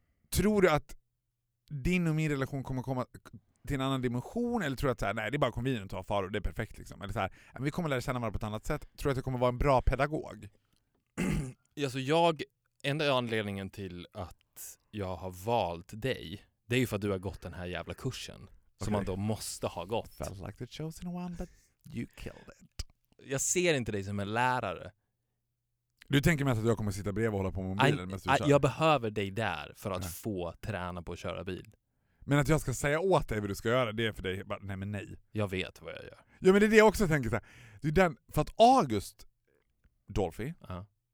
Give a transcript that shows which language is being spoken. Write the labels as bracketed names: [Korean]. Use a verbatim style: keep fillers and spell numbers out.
[Swedish] Tror du att din och min relation kommer komma till en annan dimension, eller tror du att så här, nej, det är bara konvenient att ha Faror, det är perfekt liksom, eller så här, vi kommer lära känna varandra på ett annat sätt? Tror du att jag kommer vara en bra pedagog? Alltså jag, enda anledningen till att jag har valt dig, det är ju för att du har gått den här jävla kursen, okay, som man då måste ha gått. [English] Felt like the chosen one, but you killed it. [Swedish] Jag ser inte dig som en lärare. Du tänker mig att jag kommer sitta bredvid och hålla på med mobilen I, medan du kör? Jag behöver dig där för att mm. få träna på att köra bil. Men att jag ska säga åt dig vad du ska göra, det är för dig bara, nej men nej. Jag vet vad jag gör. Ja, men det är det jag också tänker så här. Det är den, för att August Dolphy uh-huh.